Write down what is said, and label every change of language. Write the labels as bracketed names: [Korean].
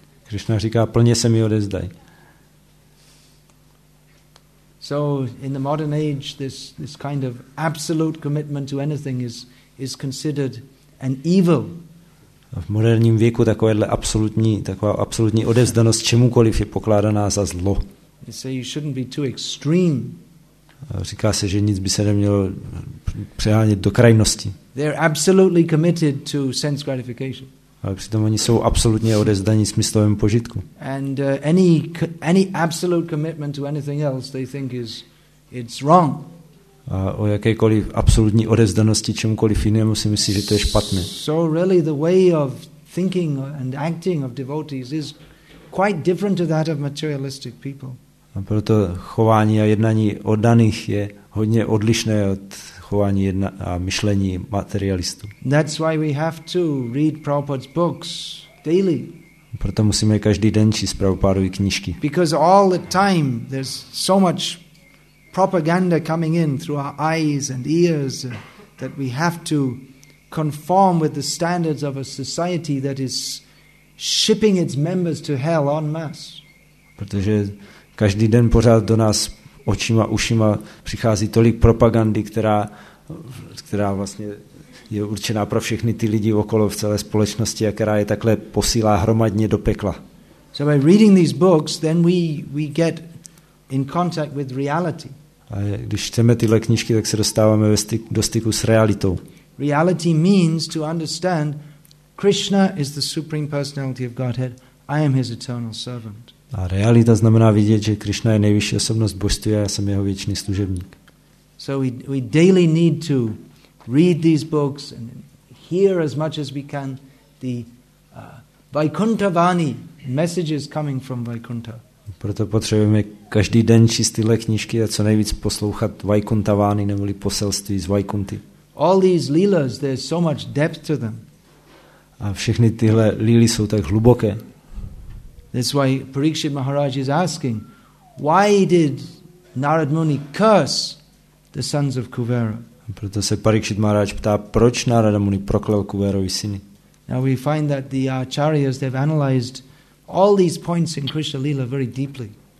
[Czech] Krishna říká, plně se mi odezdaj. [English] So in the modern age, this kind of absolute commitment to anything is considered an evil. [Czech] V moderním věku takovéhle absolutní odevzdanost čemukoliv je pokládaná za zlo. [English] You say you shouldn't be too extreme. [Czech] Říká se, že nic by se nemělo přehánět do krajnosti. [English] They're absolutely committed to sense gratification. [Czech] Ale přitom oni jsou absolutně odevzdaní smyslovému požitku. [English] And any absolute commitment to anything else they think is it's wrong. [Czech] A o jakékoliv absolutní odevzdanosti čemukoliv jinému si myslí, že to je špatné. [English] So really the way of thinking and acting of devotees is quite different to that of materialistic people. [Czech] A proto chování a jednání oddaných je hodně odlišné od chování a myšlení materialistů. [English] That's why we have to read Prabhupada's books daily. [Czech] Proto musíme každý den číst Prabhupádovy knížky. [English] Because all the time there's so much propaganda coming in through our eyes and ears that we have to conform with the standards of a society that is shipping its members to hell en masse. [Czech] Protože každý den pořád do nás očima, ušima přichází tolik propagandy, která vlastně je určená pro všechny ty lidi okolo v celé společnosti a která je takhle posílá hromadně do pekla. [English] So by reading these books, then we get in contact with reality. [Czech] A když čteme tyhle knížky, tak se dostáváme do styku s realitou. [English] Reality means to understand Krishna is the supreme personality of Godhead. I am his eternal servant. [Czech] A realita znamená vidět, že Krishna je nejvyšší osobnost božství a já jsem jeho věčný služebník. [English] So we daily need to read these books and hear as much as we can the Vaikuntha Vani, messages coming from Vaikuntha. [Czech] Proto potřebujeme každý den číst tyhle knížky a co nejvíc poslouchat Vaikuntha Vani, neboli poselství z Vaikunty. [English] All these lilas, there's so much depth to them. [Czech] A všechny tyhle líly jsou tak hluboké. [English] That's why Parikshit Maharaj is asking, why did Narad Muni curse the sons of Kuvera? [Czech] Proto se Parikshit Maharaj ptá, proč Narada Muni proklel Kuverovi syny. [English] Now we find that the acharyas, they've analyzed all these points in Krishna Lila very deeply.